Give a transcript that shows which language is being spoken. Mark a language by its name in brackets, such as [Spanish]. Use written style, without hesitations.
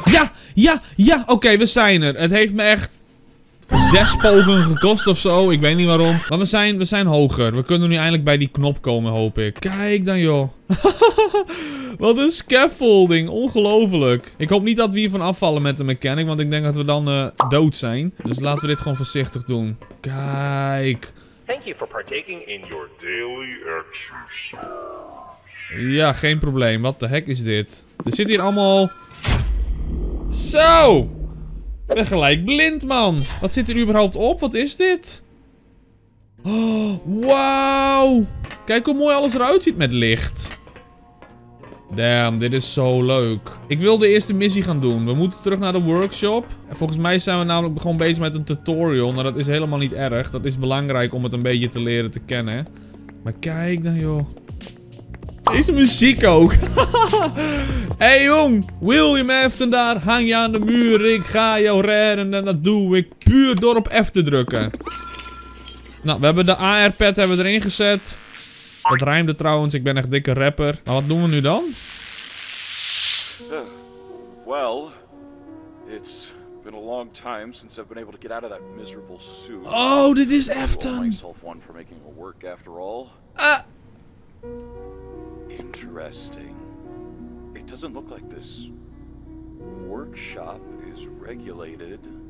[Dutch] Ja, ja, ja. Oké, we zijn er. Het heeft me echt... 6 pogingen gekost of zo. Ik weet niet waarom. Maar we zijn hoger. We kunnen nu eindelijk bij die knop komen, hoop ik. Kijk dan, joh. Wat een scaffolding. Ongelooflijk. Ik hoop niet dat we hiervan afvallen met de mechanic. Want ik denk dat we dan dood zijn. Dus laten we dit gewoon voorzichtig doen. Kijk. [English] Thank you for partaking in your daily exercise. [Dutch] Ja, geen probleem. Wat de heck is dit? Er zit hier allemaal... Zo! Ik ben gelijk blind, man. Wat zit er überhaupt op? Wat is dit? Oh, wauw. Kijk hoe mooi alles eruit ziet met licht. Damn, dit is zo leuk. Ik wil de eerste missie gaan doen. We moeten terug naar de workshop. Volgens mij zijn we namelijk gewoon bezig met een tutorial. Nou, dat is helemaal niet erg. Dat is belangrijk om het een beetje te leren te kennen. Maar kijk dan, joh. Deze muziek ook. Hey jong, William Afton daar, hang je aan de muur, ik ga jou redden en dat doe ik puur door op F te drukken. Nou, we hebben de AR-pad hebben erin gezet. Dat rijmde trouwens, ik ben echt dikke rapper. Maar wat doen we nu dan? [English] Well, it's been a long time since I've been able to get out of that miserable suit. [Dutch] Oh, dit is Afton. [English] Myself one for making a work after all. Interesting. It doesn't look like this workshop is regulated.